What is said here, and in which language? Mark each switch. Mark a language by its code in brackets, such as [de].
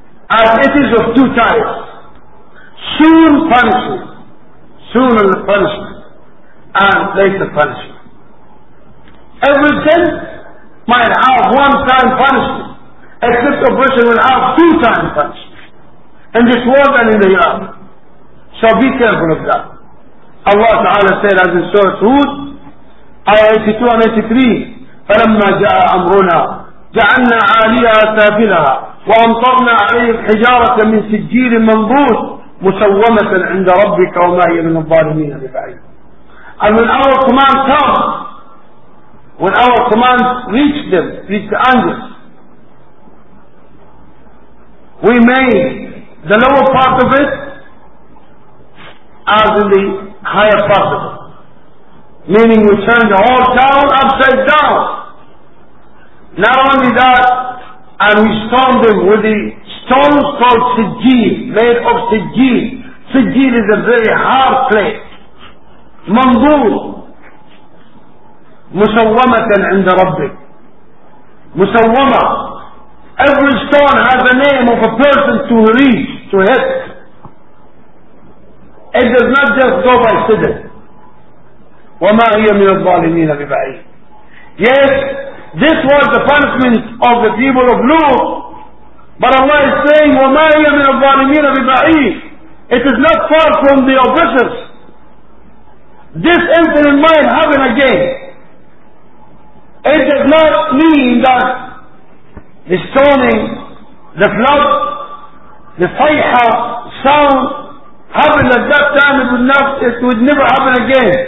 [en] As it is of two types. Soon punishment. Soon the punishment. And later punishment. Everything might have one time punishment. Except oppression will have two times punishment. In this world and in the earth. So be careful of that. Allah Ta'ala said as in Surah Hud, Ayah 82 and 83, [ar] فَلَمَّا جَاءَ أَمْرُنَا جَعَلْنَا عَالِيَهَا سَافِلَهَا وَأَمْطَرْنَا عَلَيْهِمْ حِجَارَةً مِنْ سِجِّيلٍ مَنْضُودٍ مُسَوَّمَةً عِنْدَ رَبِّكَ وَمَا هِيَ مِنَ الظَّالِمِينَ بِبَعِيدٍ. [en] And when our command comes, when our command reach them, reach the angels, we may the lower part of it as in the higher part of it. Meaning we turn the whole town upside down. Not only that, and we storm them with the stones called Sijjil, made of Sijjil. Sijjil is a very hard clay. Mandood. Musawwamatan inda Rabbik. Musawwama. Every stone has a name of a person to reach, to hit. It does not just go by sidr. [ar] وَمَا هِيَ مِنَ الظَّالِمِينَ بِبَعِيدٍ. [en] Yes, this was the punishment of the people of Lut. But Allah is saying, [ar] وَمَا هِيَ مِنَ الظَّالِمِينَ بِبَعِيدٍ. [en] It is not far from the oppressors. This incident might happen again. It does not mean that the storming, the flood, the fayha, sound, happened at that time, it would never happen again.